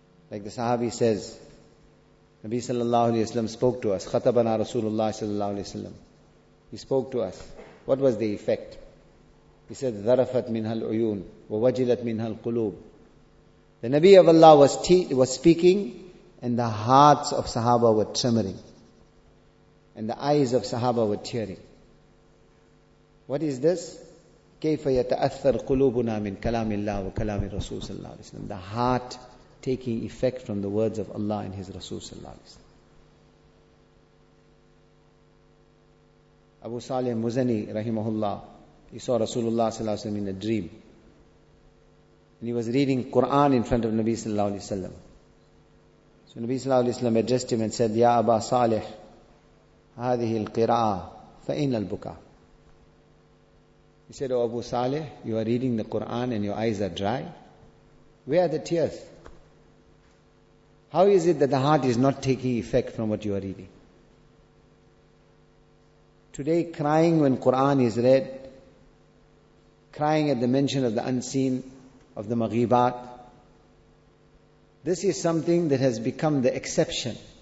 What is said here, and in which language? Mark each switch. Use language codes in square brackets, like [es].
[en] Like the Sahabi says, Nabi sallallahu alayhi wa sallam spoke to us, [ar] Khatabana Rasulullah sallallahu alayhi wa sallam. [en] He spoke to us. What was the effect? He said, [ar] Zarafat minha al-uyun, wa wajilat minha al-qulub. [en] The Nabi of Allah was speaking and the hearts of Sahaba were trembling. And the eyes of Sahaba were tearing. What is this? [ar] كيف يتأثر قلوبنا من كلام الله وكلام الرسول صلى الله عليه وسلم. [en] The heart taking effect from the words of Allah and His Rasul صلى الله عليه وسلم. Abu Salih Muzani rahimahullah, he saw Rasulullah صلى الله عليه وسلم in a dream. And he was reading Quran in front of Nabi صلى الله عليه وسلم. So Nabi [ar] صلى الله عليه وسلم [en] addressed him and said, [ar] يا أبا صالح هذه القراءة فإن البكاء. [en] He said, oh Abu Salih, you are reading the Quran and your eyes are dry. Where are the tears? How is it that the heart is not taking effect from what you are reading? Today, crying when Quran is read, crying at the mention of the unseen, of the maghibat, this is something that has become the exception.